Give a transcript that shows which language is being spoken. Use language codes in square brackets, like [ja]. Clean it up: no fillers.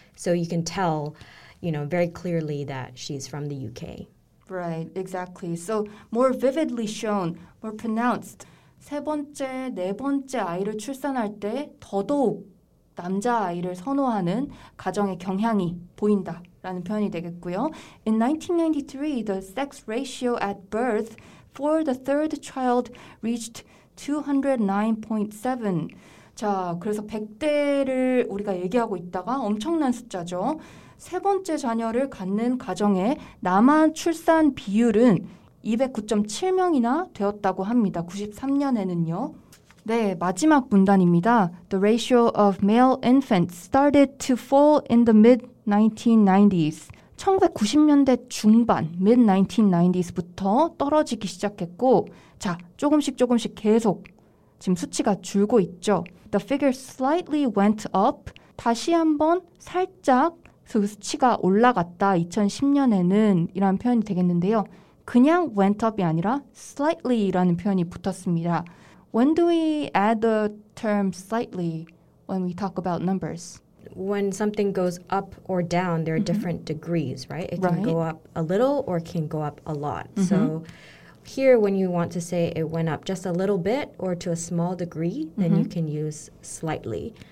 [en] So you can tell, you know, very clearly that she's from the UK. Right, exactly. So more vividly shown, more pronounced. [ko] 세 번째, 네 번째 아이를 출산할 때 더더욱 남자 아이를 선호하는 가정의 경향이 보인다라는 표현이 되겠고요. [en] In 1993, the sex ratio at birth for the third child reached 209.7. [ko] 자, 그래서 100대를 우리가 얘기하고 있다가 엄청난 숫자죠. 세 번째 자녀를 갖는 가정의 남아 출산 비율은 209.7명이나 되었다고 합니다. 93년에는요. 네, 마지막 문단입니다. [en] The ratio of male infants started to fall in the mid-1990s. [ko] 1990년대 중반, [en] mid-1990s [ko] 부터 떨어지기 시작했고, 자, 조금씩 조금씩 계속 지금 수치가 줄고 있죠. [en] The figure slightly went up. [ko] 다시 한번 살짝 수치가 올라갔다. 2010년에는 이라는 표현이 되겠는데요. 그냥 [en] went up [ko] 이 아니라 slightly라는 표현이 붙었습니다. [en] When do we add the term slightly when we talk about numbers? When something goes up or down, there are different degrees, right? It can go up a little or it can go up a lot. So here, when you want to say it went up just a little bit or to a small degree, then you can use slightly.